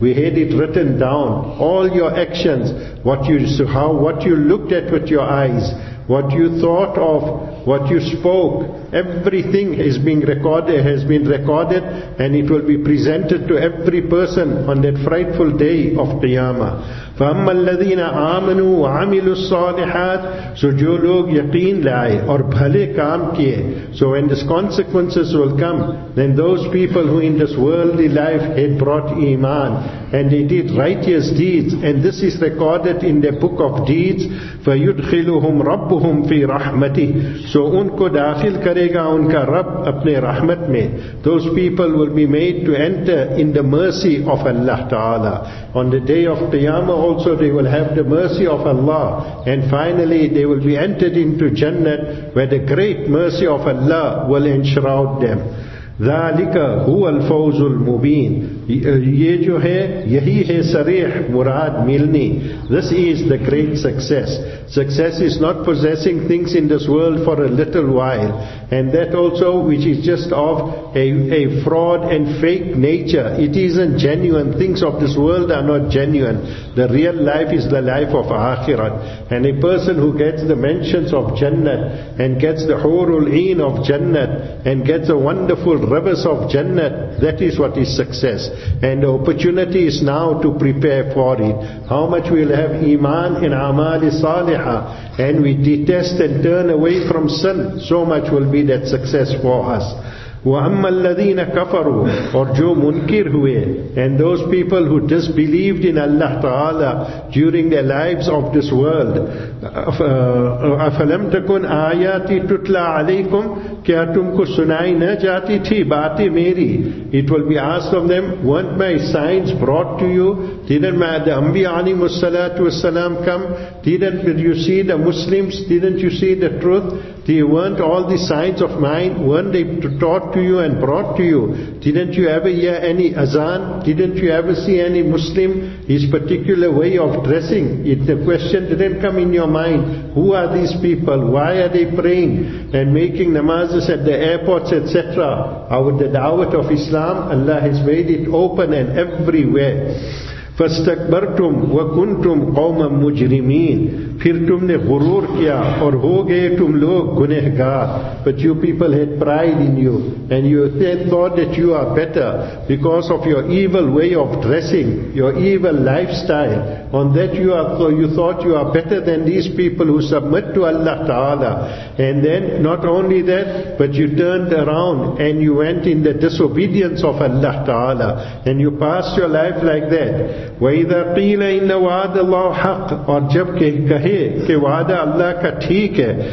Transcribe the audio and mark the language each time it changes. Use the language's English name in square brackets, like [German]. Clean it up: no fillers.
[English] We had it written down. All your actions, what you looked at with your eyes, what you thought of, what you spoke, everything is being recorded, has been recorded, and it will be presented to every person on that frightful day of Qiyamah. [Arabic] فَأَمَّا الَّذِينَ آمَنُوا وَعَمِلُوا الصَّالِحَاتِ [Urdu] So جو لوگ یقین لائے اور بھلے کام کیے. [English] So when these consequences will come, then those people who in this worldly life had brought iman and they did righteous deeds, and this is recorded in the book of deeds, [Arabic] فَيُدْخِلُهُمْ رَبُّهُمْ فِي رَحْمَتِهِ [English] So [Urdu] ان کو داخل کرے گا ان کا رب اپنے رحمت میں. [English] Those people will be made to enter in the mercy of Allah Ta'ala. On the day of Qiyamah also they will have the mercy of Allah, and finally they will be entered into Jannah, where the great mercy of Allah will enshroud them. [Arabic] ذَلِكَ هُوَ الْفَوْزُ الْمُبِينَ [Urdu] یہ جو ہے یہی ہے صریح مراد ملنی. [English] This is the great success. Success is not possessing things in this world for a little while, and that also which is just of a fraud and fake nature. It isn't genuine. Things of this world are not genuine. The real life is the life of Akhirat. And a person who gets the mentions of Jannah and gets the Hurul Een of Jannah and gets a wonderful rivers of Jannah, that is what is success. And the opportunity is now to prepare for it. How much we'll have iman in amali saliha, and we detest and turn away from sin, so much will be that success for us. [Arabic] وَأَمَّا الَّذِينَ كَفَرُوا [Urdu] اور جو منکر ہوئے. [English] And those people who disbelieved in Allah Ta'ala during their lives of this world. [Arabic] أَفَلَمْ تَكُنْ آيَاتِ تُتْلَى عَلَيْكُمْ [Urdu] کیا تم کو سنائی نہ جاتی تھی باتیں میری. [English] It will be asked of them, weren't my signs brought to you? Didn't my the Anbiya alayhim as-salatu was-salam come? Didn't you see the Muslims? Didn't you see the truth? They weren't all the signs of mine, weren't they taught to you and brought to you? Didn't you ever hear any azan? Didn't you ever see any Muslim, his particular way of dressing? If the question didn't come in your mind, who are these people? Why are they praying and making namazes at the airports, etc.? Our the da'wat of Islam, Allah has made it open and everywhere. [Arabic] فَاسْتَكْبَرْتُمْ وَكُنْتُمْ قَوْمًا مُجْرِمِينَ [Urdu] پھر تم نے غرور کیا اور ہو گئے تم لوگ گنہگار. [English] But you people had pride in you, and you thought that you are better because of your evil way of dressing, your evil lifestyle. On that you thought you are better than these people who submit to Allah Ta'ala. And then not only that, but you turned around and you went in the disobedience of Allah Ta'ala, and you passed your life like that. [Arabic] وَإِذَا قِيلَ إِنَّ وَعَدَ اللَّهُ حَقٌّ [Urdu] اور جب کہے کہ وعدہ اللہ کا ٹھیک ہے.